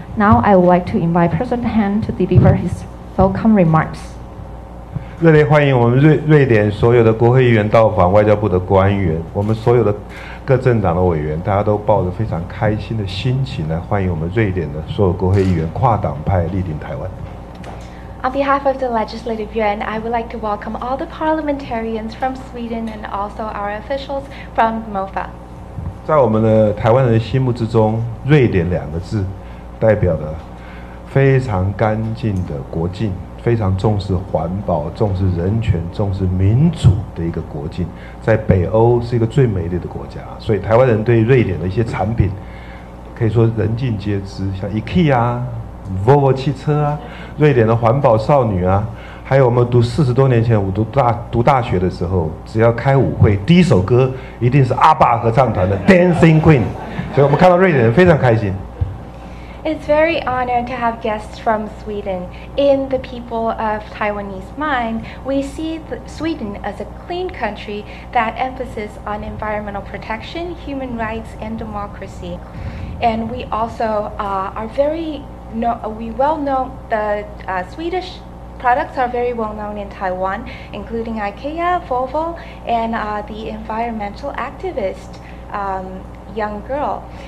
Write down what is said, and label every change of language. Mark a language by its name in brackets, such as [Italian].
[English] Now I would like to invite President Han to deliver his welcome remarks. [Chinese] 热烈欢迎我们 瑞典所有的国会议员到访，外交部的官员，我们所有的各政党的委员，大家都抱着非常开心的心情来欢迎我们瑞典的所有国会议员跨党派莅临台湾。 [English] On behalf of the Legislative Yuan, I would like to welcome all the parliamentarians from Sweden and also our officials from MOFA. [Chinese] 在我们的台湾人心目之中，瑞典两个字代表了非常干净的国境，非常重视环保、重视人权、重视民主的一个国境，在北欧是一个最美丽的国家，所以台湾人对瑞典的一些产品可以说人尽皆知，像 IKEA Volvo 汽车啊，瑞典的环保少女啊，还有我们读四十多年前，我读大学的时候，只要开舞会，第一首歌一定是阿爸合唱团的《Dancing Queen》，所以我们看到瑞典人非常开心。 [English] It's very honored to have guests from Sweden. In the people of Taiwanese mind, we see Sweden as a clean country that emphasizes on environmental protection, human rights, and democracy. And we also are very Swedish products are very well known in Taiwan, including IKEA, Volvo, and the environmental activist young girl.